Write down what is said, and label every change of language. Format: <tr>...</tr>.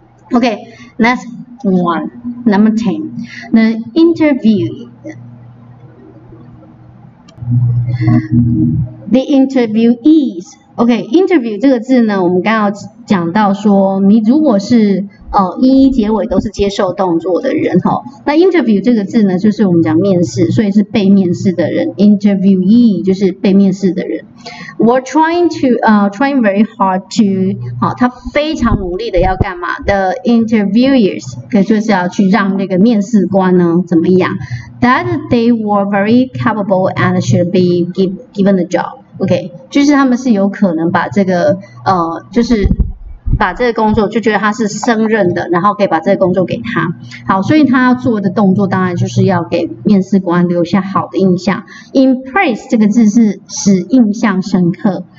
<en>OK， next one， number ten， the interview， the interviewees。</en> <zh>OK， interview 这个字呢，我们刚刚讲到说，你如果是一一结尾都是接受动作的人齁，那 interview 这个字呢，就是我们讲面试，所以是被面试的人， interviewee 就是被面试的人。</zh> <en>We're trying to trying very hard to 齁，</en> <zh>他非常努力的要干嘛，</zh> <en>the interviewers</en> <zh>就是要去让那个面试官呢怎么样，</zh> <en>that they were very capable and should be given the job。</en> <zh>OK， 就是他们是有可能把这个就是把这个工作就觉得他是胜任的，然后可以把这个工作给他。好，所以他要做的动作当然就是要给面试官留下好的印象。 impress 这个字是使印象深刻。</zh>